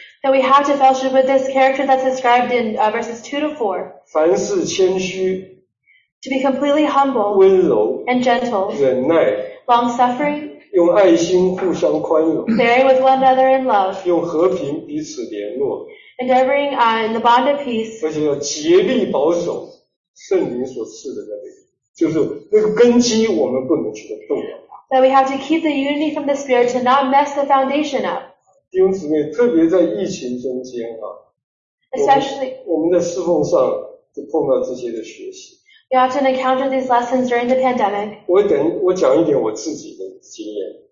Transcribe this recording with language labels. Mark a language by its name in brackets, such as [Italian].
[English] That we have to fellowship with this character that's described in verses 2-4. [Chinese] 凡事谦虚。 [English] To be completely humble, [Chinese] 温柔 [English] and gentle, [Chinese] 忍耐 [English] long suffering, [Chinese] 用爱心互相宽容 [English] bearing with one another in love, [Chinese] 用和平彼此联络 [English] endeavoring in the bond of peace, [Chinese] 而且要竭力保守圣灵所赐的那个，就是那个根基我们不能去动摇。 [English] That we have to keep the unity from the spirit to not mess the foundation up. [Chinese] 弟兄姊妹，特别在疫情中间啊， [English] especially [Chinese] 我们在侍奉上就碰到这些的学习。 [English] You often encounter these lessons during the pandemic. [Chinese] 我讲一点我自己的经验。